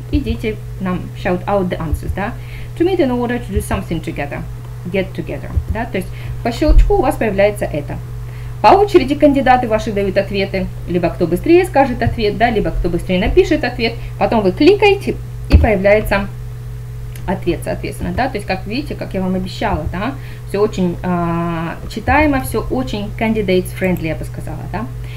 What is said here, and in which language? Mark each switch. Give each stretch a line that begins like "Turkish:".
Russian: И дети нам
English: shout out the answers,
Russian: да.
English: To meet in order to do something together. Get together. Да?
Russian: То есть по щелчку у вас появляется это. По очереди кандидаты ваши дают ответы. Либо кто быстрее скажет ответ, да, либо кто быстрее напишет ответ. Потом вы кликаете, и появляется ответ, соответственно. Да? То есть, как видите, как я вам обещала, да, все очень читаемо, все очень candidates-friendly, я бы сказала. Да?